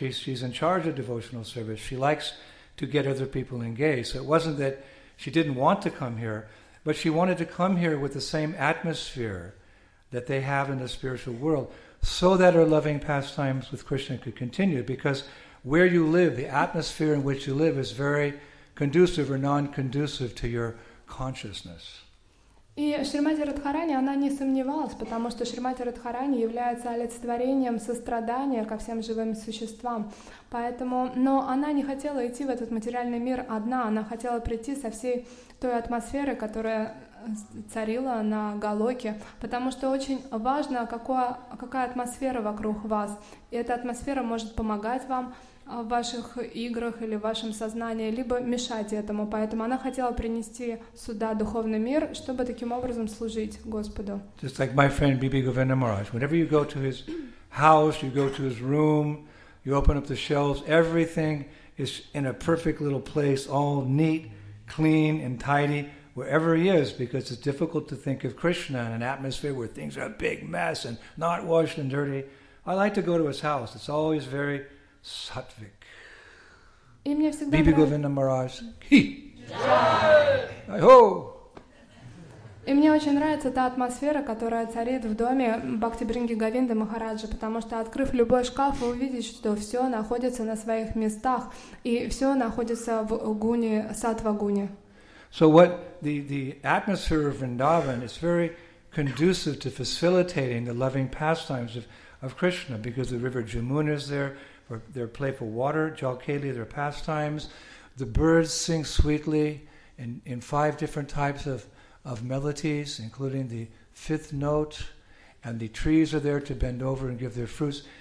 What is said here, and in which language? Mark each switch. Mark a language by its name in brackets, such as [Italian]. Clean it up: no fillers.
[English] She's in charge of devotional service. She likes to get other people engaged. So it wasn't that she didn't want to come here, but she wanted to come here with the same atmosphere that they have in the spiritual world so that her loving pastimes with Krishna could continue. Because where you live, the atmosphere in which you live is very conducive or non-conducive to your consciousness. [Russian] И Шримати Радхарани, она не сомневалась, потому что Шримати Радхарани является олицетворением сострадания ко всем живым существам. Поэтому, но она не хотела идти в этот материальный мир одна, она хотела прийти со всей той атмосферой, которая царила на Галоке, потому что очень важно, какая атмосфера вокруг вас. И эта атмосфера может помогать вам в ваших играх или в вашем сознании, либо мешать этому. Поэтому она хотела принести сюда духовный мир, чтобы таким образом служить Господу. [English] Just like my friend Bibi Govinda Maharaj. Whenever you go to his house, you go to his room, you open up the shelves, everything is in a perfect little place, all neat, clean and tidy, wherever he is, because it's difficult to think of Krishna in an atmosphere where things are a big mess and not washed and dirty. I like to go to his house. It's always very Sattvic. Bibi Govinda Maharaj. Hi. Jai. Hi ho. [Russian] И мне очень нравится та атмосфера, которая царит в доме Бхактибринги Говинды Махараджи, потому что, открыв любой шкаф, вы увидите, что все находится на своих местах, и все находится в гуне, сатва-гуне. [English] So what the atmosphere of Vrindavan is very conducive to facilitating the loving pastimes of Krishna, because the river Jamuna is there, their playful water, Jalkeli, their pastimes, the birds sing sweetly, in five different types of melodies, including the fifth note, and the trees are there to bend over and give their fruits.